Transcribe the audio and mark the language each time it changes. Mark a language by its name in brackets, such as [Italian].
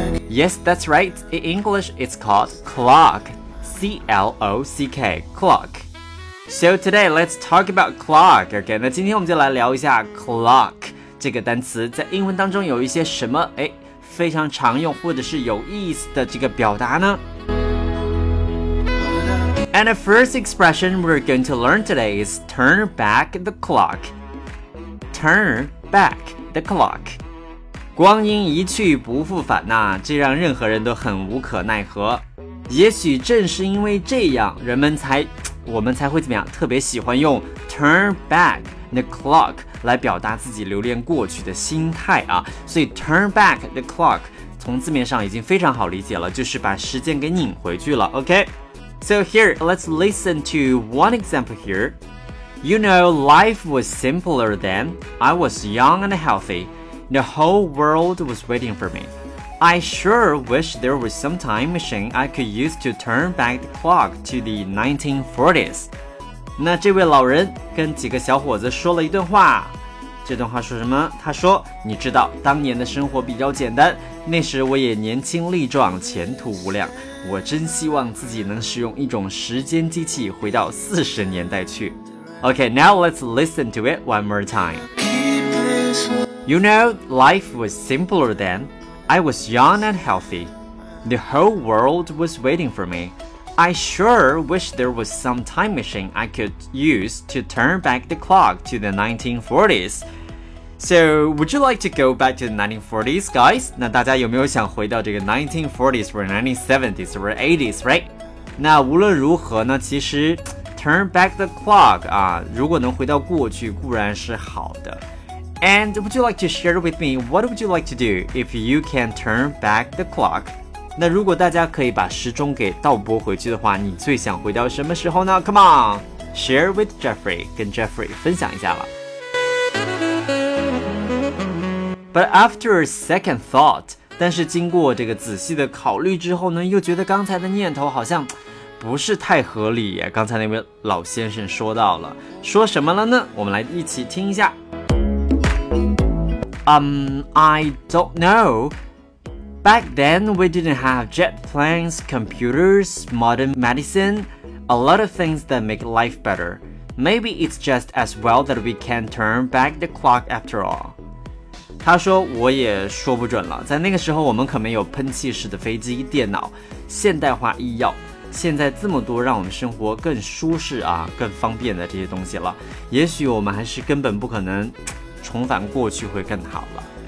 [English] Yes, that's right. In English, it's called clock. C-L-O-C-K, clock. So today, let's talk about clock. [Chinese] Okay, 那今天我们就来聊一下 clock 这个单词在英文当中有一些什么非常常用或者是有意思的这个表达呢？ [English] And the first expression we're going to learn today is turn back the clock. Turn back the clock. [Chinese] 光阴一去不复返呐，这让任何人都很无可奈何。也许正是因为这样，我们才会怎么样，特别喜欢用 [English] turn back the clock [Chinese] 来表达自己留恋过去的心态啊。所以 [English] turn back the clock [Chinese] 从字面上已经非常好理解了，就是把时间给拧回去了。 [English] OK, so here let's listen to one example here. You know, life was simpler then. I was young and healthy. The whole world was waiting for me. I sure wish there was some time machine I could use to turn back the clock to the 1940s. [Chinese] 那这位老人跟几个小伙子说了一段话。这段话说什么？他说，你知道，当年的生活比较简单，那时我也年轻力壮，前途无量。我真希望自己能使用一种时间机器回到40年代去。 [English] Okay, now let's listen to it one more time. You know, life was simpler then. I was young and healthy. The whole world was waiting for me. I sure wish there was some time machine I could use to turn back the clock to the 1940s. So, would you like to go back to the 1940s, guys? [Chinese] 那大家有没有想回到这个 [English] 1940s or 1970s or 80s, right? [Chinese] 那无论如何呢，其实 turn back the clock 啊，如果能回到过去固然是好的。 [English] And would you like to share with me what would you like to do if you can turn back the clock? [Chinese] 那如果大家可以把时钟给倒拨回去的话，你最想回到什么时候呢？ [English] Come on, share with Jeffrey, [Chinese] 跟 Jeffrey 分享一下吧。 [English] But after a second thought, [Chinese] 但是经过这个仔细的考虑之后呢，又觉得刚才的念头好像不是太合理耶。刚才那位老先生说到了，说什么了呢？我们来一起听一下。 [English] I don't know. Back then, we didn't have jet planes, computers, modern medicine, a lot of things that make life better. Maybe it's just as well that we can turn back the clock after all. [Chinese] 他说，我也说不准了，在那个时候我们可没有喷气式的飞机、电脑、现代化医药，现在这么多让我们生活更舒适啊、更方便的这些东西了，也许我们还是根本不可能重返过去会更好了。